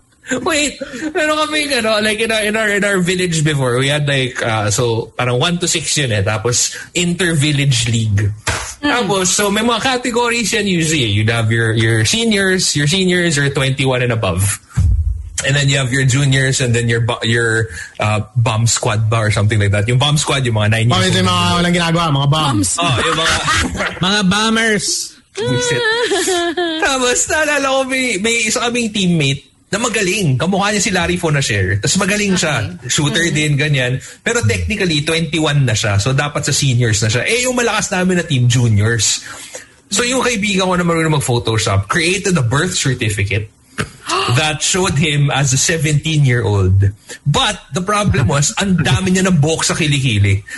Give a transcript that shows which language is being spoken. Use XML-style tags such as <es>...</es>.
<en>Wait,</en> <tl>meron kami, ano,</tl> <en>like in our village before, we had like, so</en> <tl>parang 1 to 6 yun eh, tapos</tl> <en>inter-village league.</en> <tl>Tapos,</tl> <en>so</en> <tl>may mga categories yan</tl> <en>usually. You'd have your seniors, your 21 and above. And then you have your juniors and then your bomb squad</en> <tl>ba</tl> <en>or something like that.</en> <tl>Yung bomb squad, yung mga 9</tl> <en>years old.</en> <tl>Yung mga walang ginagawa, mga bombs. Oh, yung mga... mga bombers. Tapos, naalala ko, may isa kaming teammate na magaling. Kamukha niya si Larry Fonacher. Tapos magaling siya. Shooter din, ganyan. Pero technically, 21 na siya. So dapat sa seniors na siya. Eh, yung malakas namin na team, juniors.</tl> <en>So</en> <tl>yung kaibigan ko na marunong mag-Photoshop,</tl> <en>created a birth certificate that showed him as a 17-year-old. But the problem was,</en> <tl>ang dami niya ng buhok sa kilikili.</tl>